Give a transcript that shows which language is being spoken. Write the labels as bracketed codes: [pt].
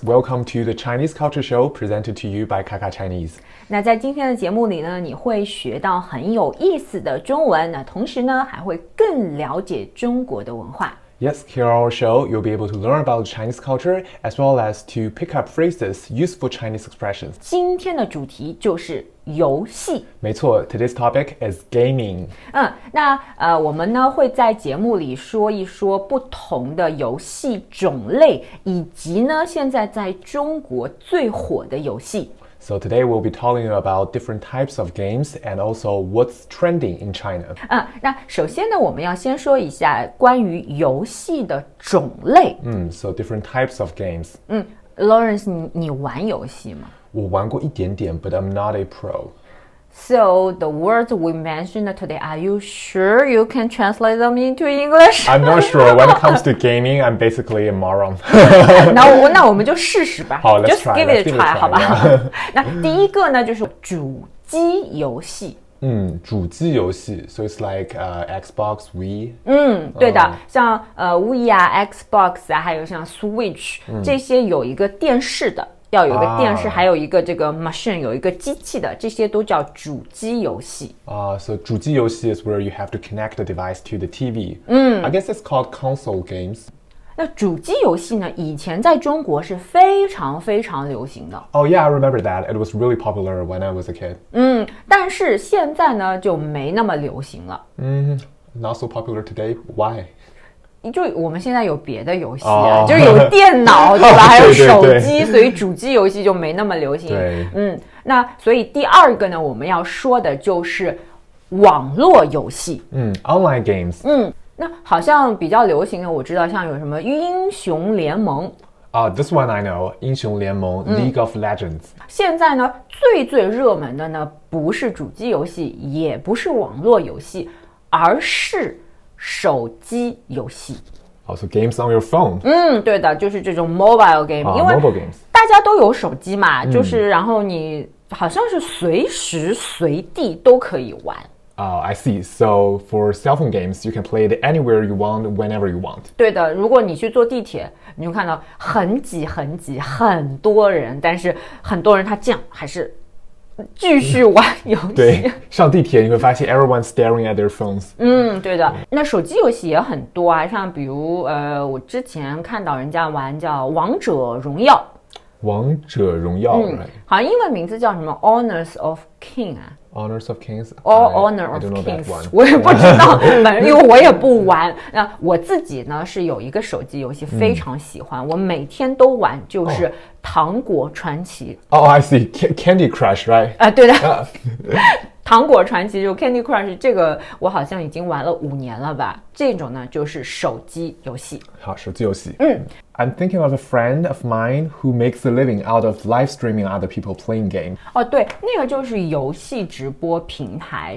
[en] Welcome to the Chinese Culture Show presented to you by 卡卡 Chinese。 [zh] 那在今天的节目里呢，你会学到很有意思的中文，那同时呢还会更了解中国的文化。 [en] Yes, here on our show, you'll be able to learn about Chinese culture as well as to pick up phrases, useful Chinese expressions. [zh] 今天的主题就是游戏。没错， [en] today's topic is gaming. [zh] 我们呢会在节目里说一说不同的游戏种类，以及呢现在在中国最火的游戏。 [en] So today we'll be talking about different types of games and also what's trending in China. [zh] 那首先呢，我们要先说一下关于游戏的种类。 [en] So different types of games. [zh] Lawrence, 你玩游戏吗？我玩过一点点， [en] but I'm not a pro. So the words we mentioned today, are you sure you can translate them into English? I'm not sure. When it comes to gaming, I'm basically a moron. [zh] 那我们就试试吧。 [en] 好 let's Just try, give it a try, it a try [zh] 好吧、 [en] yeah. [zh] 那第一个呢就是主机游戏。 [en] 主机游戏。So it's like Xbox, Wii. [zh] 对的。像Wii 啊 ,Xbox 啊还有像 Switch,这些有一个电视的。要有一个电视，还有一个这个 machine， 有一个机器的，这些都叫主机游戏。 [en] So 主机游戏 is where you have to connect the device to the TV. I guess it's called console games. 那主机游戏呢，以前在中国是非常非常流行的。 Oh yeah, I remember that. It was really popular when I was a kid. [zh] 但是现在呢，就没那么流行了。 [en] Not so popular today. Why? [zh] 就我们现在有别的游戏啊、oh. 就是有电脑对吧还有手机对对对所以主机游戏就没那么流行对那所以第二个呢我们要说的就是网络游戏 [en] online games [zh] 那好像比较流行的我知道像有什么英雄联盟 [en] This one I know, 英雄联盟 League of Legends. [zh] 现在呢最最热门的呢不是主机游戏也不是网络游戏而是手机游戏 [en] Also games on your phone [zh] 对的就是这种 mobile game、因为大家都有手机嘛、就是然后你好像是随时随地都可以玩 [en] I see So for cell phone games You can play it anywhere you want Whenever you want [zh] 对的如果你去坐地铁你会看到很挤很挤很多人但是很多人他这样还是继续玩游戏对上地铁你会发现 [en] everyone staring at their phones [zh] 对的那手机游戏也很多啊像比如我之前看到人家玩叫王者荣耀、好像英文名字叫什么 Honors of King 啊 [en] Honors of Kings [zh] All Honor of Kings 我也不知道因为我也不玩那我自己呢是有一个手机游戏非常喜欢我每天都玩就是糖果传奇 [en] I see Candy Crush right [zh] 对的糖果传奇就 Candy Crush 这个我好像已经玩了五年了吧这种呢就是手机游戏 [en] 好手机游戏I'm thinking of a friend of mine who makes a living out of live streaming other people playing games. [zh] 对，那个就是游戏直播平台。